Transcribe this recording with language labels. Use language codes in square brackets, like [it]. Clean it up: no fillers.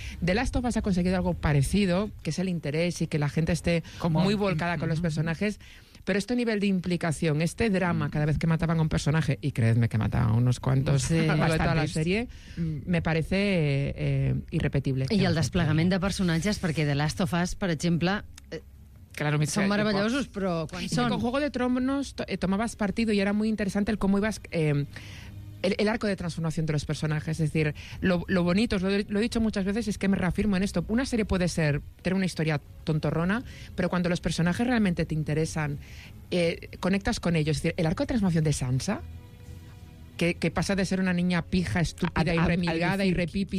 [es] The Last of Us ha conseguido algo parecido, que es el interés y que la gente esté muy volcada con los personajes. Pero este nivel de implicación, este drama, cada vez que mataban a un personaje, y creedme que mataban unos cuantos a lo de toda la serie, me parece irrepetible. [ca] I el desplegament de personatges, perquè The Last of Us, per exemple, [es] claro, son maravillosos, [ca] però quan són... [es] Con Juego de Tronos tomabas partido y era muy interesante el cómo ibas... El arco de transformación de los personajes, es decir, lo bonito, lo he dicho muchas veces, es que me reafirmo en esto. Una serie puede ser tener una historia tontorrona, pero cuando los personajes realmente te interesan, conectas con ellos. Es decir, el arco de transformación de Sansa, que pasa de ser una niña pija, estúpida y remilgada y repipi,